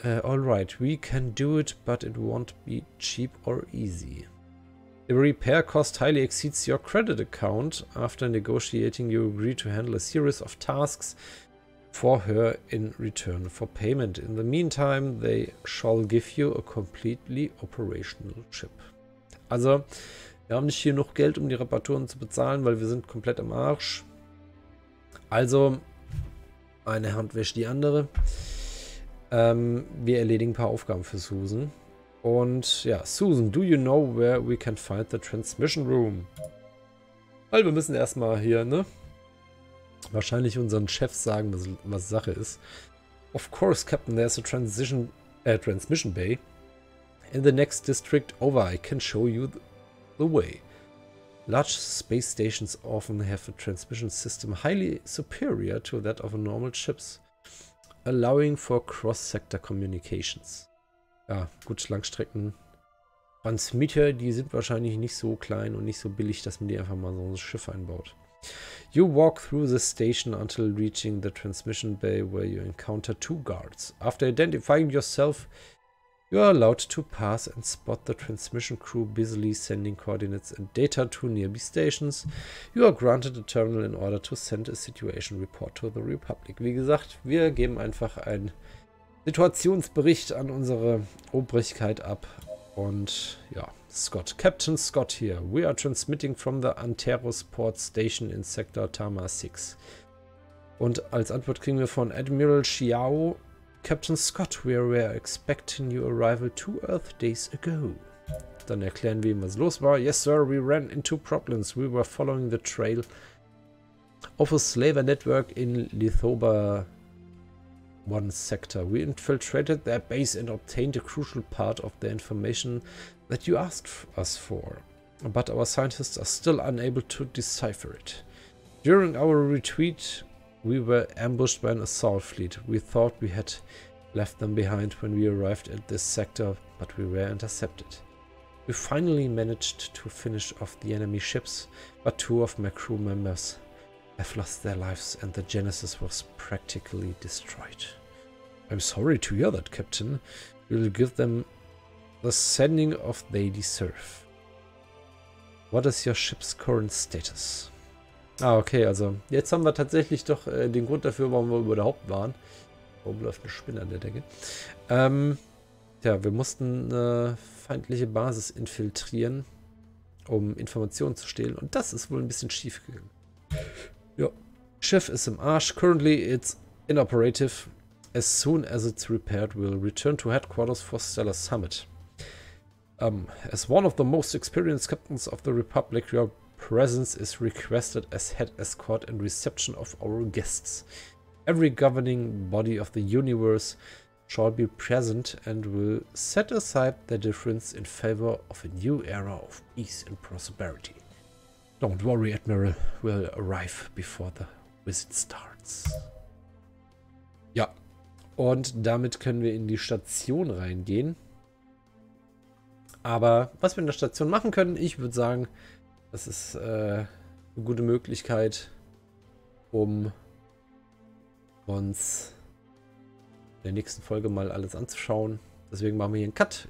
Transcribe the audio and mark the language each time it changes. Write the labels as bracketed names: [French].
[English] Alright, we can do it, but it won't be cheap or easy. The repair cost highly exceeds your credit account. After negotiating, you agree to handle a series of tasks for her in return for payment. In the meantime, they shall give you a completely operational chip. [German] Also, wir haben nicht genug Geld, um die Reparaturen zu bezahlen, weil wir sind komplett im Arsch. Also, eine Hand wäscht die andere. Wir erledigen ein paar Aufgaben für Susan. Und ja, Susan, do you know where we can find the transmission room? Weil wir müssen erstmal hier, ne? Wahrscheinlich unseren Chef sagen, was Sache ist. [English] Of course, Captain, there's a transmission bay. In the next district over, I can show you the way. Large space stations often have a transmission system highly superior to that of a normal ships, allowing for cross-sector communications. [German] Ja, gut, Langstrecken. Transmitter, die sind wahrscheinlich nicht so klein und nicht so billig, dass man die einfach mal so ein Schiff einbaut. [English] You walk through the station until reaching the transmission bay, where you encounter two guards. After identifying yourself, you are allowed to pass and spot the transmission crew busily sending coordinates and data to nearby stations. You are granted a terminal in order to send a situation report to the Republic. [German] Wie gesagt, wir geben einfach einen Situationsbericht an unsere Obrigkeit ab. Und ja, [English] Scott. Captain Scott here. We are transmitting from the Anteros Port Station in Sector Tama 6. [German] Und als Antwort kriegen wir von Admiral Xiao. [English] Captain Scott, we were expecting your arrival 2 Earth days ago. [German] Dann erklären wir ihm, was los war. [English] Yes, sir, we ran into problems. We were following the trail of a slaver network in Lithoba 1 sector. We infiltrated their base and obtained a crucial part of the information that you asked us for. But our scientists are still unable to decipher it. During our retreat, we were ambushed by an assault fleet. We thought we had left them behind when we arrived at this sector, but we were intercepted. We finally managed to finish off the enemy ships, but two of my crew members have lost their lives and the Genesis was practically destroyed. I'm sorry to hear that, Captain. We'll give them the sending off they deserve. What is your ship's current status? [German] Ah, okay, also jetzt haben wir tatsächlich doch den Grund dafür, warum wir überhaupt waren. Warum läuft eine Spinne an der Decke? Tja, wir mussten eine feindliche Basis infiltrieren, um Informationen zu stehlen. Und das ist wohl ein bisschen schief gegangen. Ja, Schiff ist im Arsch. [English] Currently it's inoperative. As soon as it's repaired, we'll return to headquarters for Stellar Summit. As one of the most experienced captains of the Republic, your presence is requested as head escort and reception of our guests. Every governing body of the universe shall be present and will set aside their difference in favor of a new era of peace and prosperity. Don't worry, Admiral, we'll arrive before the visit starts. [German] Ja, und damit können wir in die Station reingehen. Aber was wir in der Station machen können, ich würde sagen, das ist eine gute Möglichkeit, um uns in der nächsten Folge mal alles anzuschauen. Deswegen machen wir hier einen Cut.